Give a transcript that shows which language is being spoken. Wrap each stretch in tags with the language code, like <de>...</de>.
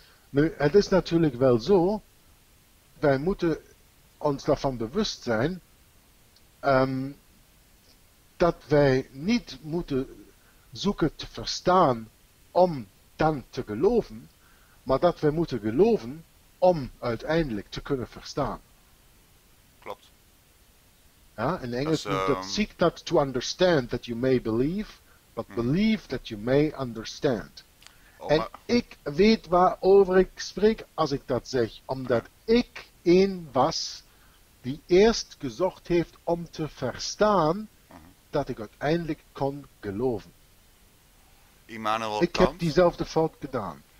<nl>Nu, het is natuurlijk wel zo, wij moeten ons daarvan bewust zijn, dat wij niet moeten zoeken te verstaan om dan te geloven, maar dat wij moeten geloven om uiteindelijk te kunnen verstaan. Klopt. Ja, in Engels noemt dat</nl> <en>seek not to understand that you may believe, but believe that you may understand.</en> <nl>En ik weet waarover ik spreek als ik dat zeg, omdat ik een was die eerst gezocht heeft om te verstaan dat ik uiteindelijk kon geloven. Immanuel ik Kant, heb diezelfde fout gedaan.</nl>